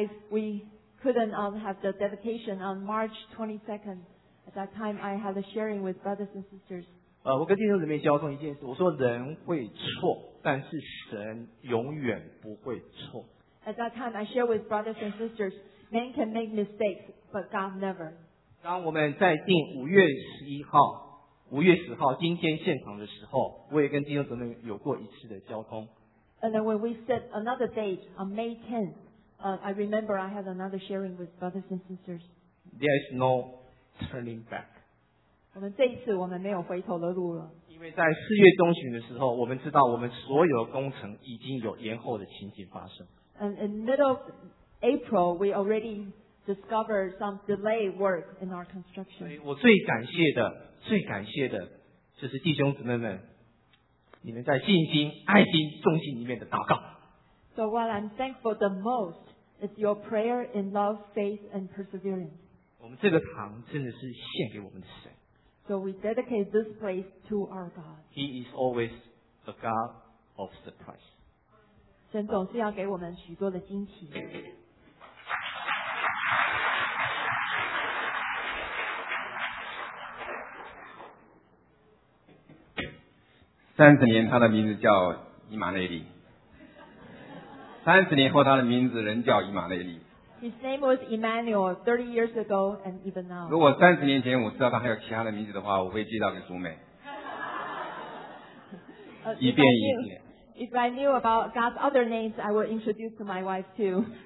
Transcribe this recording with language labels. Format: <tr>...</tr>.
<en>We couldn't have the dedication on March 22nd. At that time, I had a sharing with brothers and sisters.</en> <zh>我跟弟兄姊妹交通一件事，我说人会错，但是神永远不会错。</zh> <en>At that time, I shared with brothers and sisters, men can make mistakes, but God never.</en> <zh>当我们在定5月10号今天现场的时候，我也跟弟兄姊妹有过一次的交通。</zh> <en>And then when we set another date on May 10th, I remember I had another sharing with brothers and sisters. There is no turning back.</en> <zh>我们这一次我们没有回头的路了。因为在四月中旬的时候，我们知道我们所有工程已经有延后的情形发生。</zh> <en>And in middle of April, we already discovered some delay work in our construction.</en> <zh>所以我最感谢的，就是弟兄姊妹们，你们在信心、爱心、忠心里面的祷告。</zh> <en>So what I'm thankful the most is your prayer in love, faith, and perseverance.</en> <zh>我们这个堂真的是献给我们的神。</zh> <en>So we dedicate this place to our God. He is always a God of surprise.</en> <zh>神总是要给我们许多的惊奇。 30年，他的名字叫以马内利。30年后，他的名字仍叫以马内利。</zh> <en>His name was Emmanuel 30 years ago and even now.</en> <zh>如果30年前我知道他还有其他的名字的话，我会介绍给主美。一遍一遍。</zh> <en>If I knew about God's other names, I would introduce to my wife too.</en>